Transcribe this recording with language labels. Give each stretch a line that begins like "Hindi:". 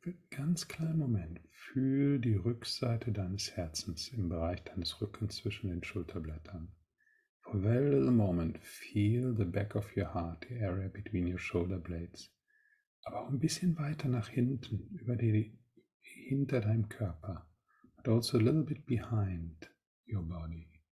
German: ganz kleinen Moment, fühl die Rückseite deines Herzens im Bereich deines Rückens zwischen den Schulterblättern.
English: For a very little moment, feel the back of your heart, the area between your shoulder blades.
German: Aber auch ein bisschen weiter nach hinten, über die hinter deinem Körper.
English: But also a little bit behind your body.